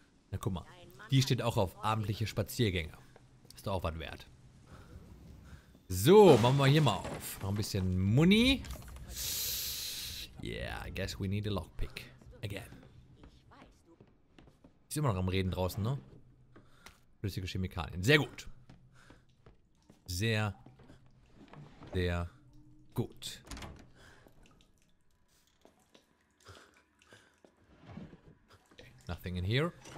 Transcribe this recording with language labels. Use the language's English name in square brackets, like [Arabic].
[German] Na guck mal, die steht auch auf abendliche Spaziergänge. Ist doch auch was wert. So, machen wir hier mal auf. Noch ein bisschen Muni. [English] Yeah, I guess we need a lockpick. Again. [German] Ist immer noch am Reden draußen, ne? Flüssige Chemikalien. Sehr gut. Sehr, sehr gut. [English] Okay, nothing in here.